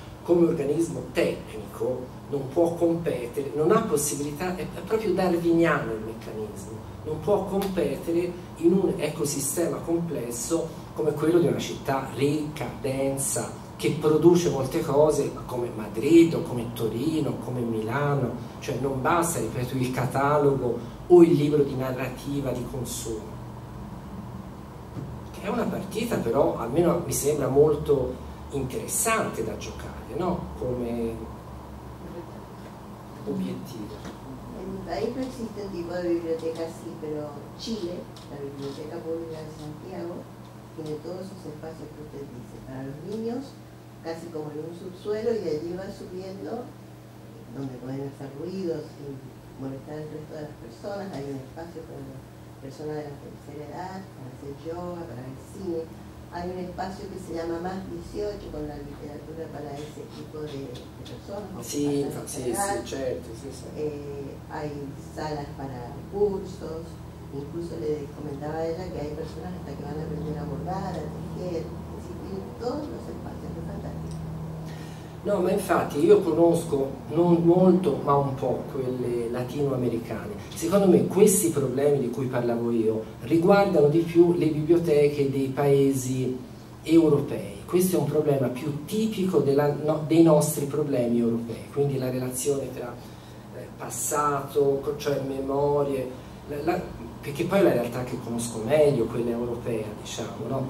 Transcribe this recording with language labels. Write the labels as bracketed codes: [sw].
[it] come organismo tecnico non può competere, non ha possibilità, è proprio darwiniano il meccanismo, non può competere in un ecosistema complesso come quello di una città ricca, densa, che produce molte cose come Madrid o come Torino, come Milano, cioè non basta, ripeto, il catalogo o il libro di narrativa di consumo. È una partita però, almeno mi sembra molto interessante da giocare, no? Come obiettivo. [es] Ahí persiste un tipo de biblioteca, sí, pero Chile, la Biblioteca Pública de Santiago, tiene todos sus espacios que usted dice, para los niños, casi como en un subsuelo, y allí va subiendo, donde pueden hacer ruidos sin molestar al resto de las personas, hay un espacio para las personas de la tercera edad, para hacer yoga, para el cine, hay un espacio que se llama Más 18 con la literatura para ese tipo de personas. Sí, sí, edad. Sí, certo, sí, sí. Hay salas para cursos, incluso le comentaba a ella que hay personas hasta que van a aprender a bordar, a tejer, es decir, todos los espacios, es fantástico. [it] No, ma infatti io conosco non molto ma un po' quelle latinoamericane. Secondo me questi problemi di cui parlavo io riguardano di più le biblioteche dei paesi europei. Questo è un problema più tipico dei nostri problemi europei, quindi la relazione tra passato, cioè memorie, perché poi la realtà che conosco meglio, quella europea, diciamo, no?